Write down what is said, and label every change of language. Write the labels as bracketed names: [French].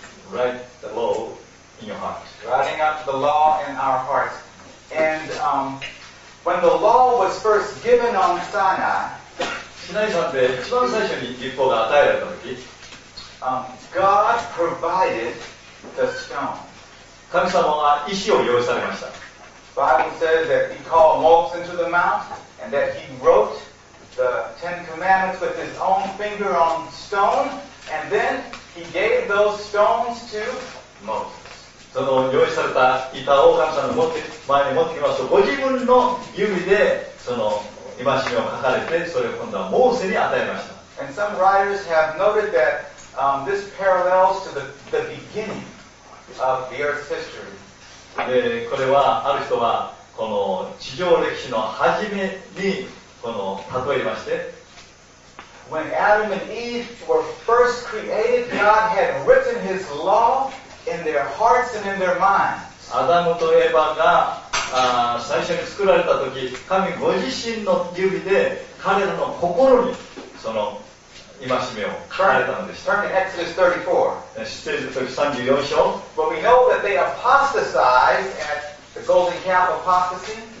[English] Write the law in your heart. Writing up the law in our hearts. And when the law was first given on Sinai, [Japanese] シナイ山で一番最初に律法が与えられた時、 [English] God provided the stone. [Japanese] 神様は石を用意されました。 [English] Bible says that He called Moses into the mount and that He wrote the Ten Commandments with His own finger on stone. And then he gave those stones to Moses. [Japanese] その用意された板を神様の前に持ってきますと、ご自分の指でその戒めを書かれて、それを今度はモーセに与えました。 [English] And some writers have noted that, this parallels to the beginning of the earth's history. [Japanese] で、これはある人はこの地上歴史の初めにこの例えまして、 [English] When Adam and Eve were first created, God had written His law in their hearts and in their minds. [Japanese] アダムとエバが最初に作られた時、神ご自身の指で彼らの心にその戒めを書かれたのでした。 [English] Turn to Exodus 34. [Japanese] 出エジプト34章。 [English] But we know that they apostatized at the golden calf apostasy.